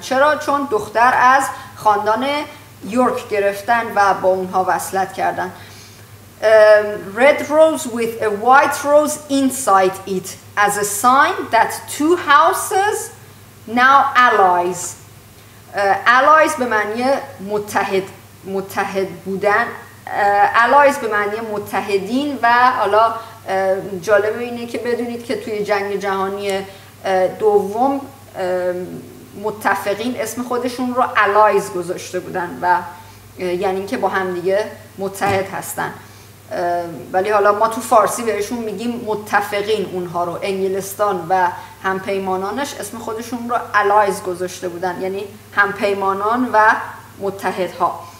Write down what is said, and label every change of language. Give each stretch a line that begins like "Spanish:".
Persian: چرا؟ چون دختر از خاندان یورک گرفتن و با اونها وصلت کردن.
English: Red rose with a white rose inside it as a sign that two houses now allies.
Persian: Allies به معنی متحد بودن. Allies به معنی متحدین. و حالا جالبه اینه که بدونید که توی جنگ جهانی دوم متفقین اسم خودشون رو allies گذاشته بودن و یعنی که با هم دیگه متحد هستن، ولی حالا ما تو فارسی بهشون میگیم متفقین، اونها رو انگلستان و همپیمانانش اسم خودشون رو allies گذاشته بودن، یعنی همپیمانان و متحدها.